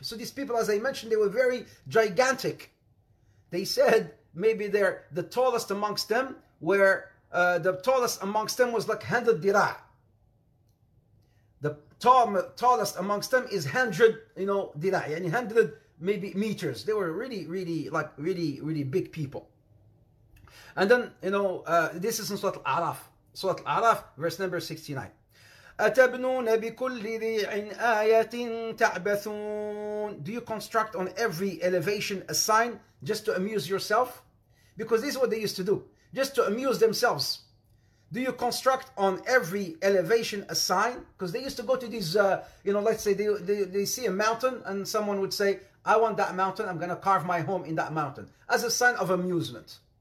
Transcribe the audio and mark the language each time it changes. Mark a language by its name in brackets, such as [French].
[English] So these people, as I mentioned, they were very gigantic. They said maybe they're the tallest amongst them, where the tallest amongst them was like 100 dirah. The tallest amongst them is 100, dirah, 100 maybe meters. They were really, really, like really, really big people. And then, this is in Surah Al-A'raf. Surah Al-A'raf, verse number 69. [Arabic] أتبنون بكل ريع آية تعبثون. [English] Do you construct on every elevation a sign just to amuse yourself? Because this is what they used to do, just to amuse themselves. Do you construct on every elevation a sign? Because they used to go to these, let's say they see a mountain and someone would say, I want that mountain, I'm going to carve my home in that mountain, as a sign of amusement.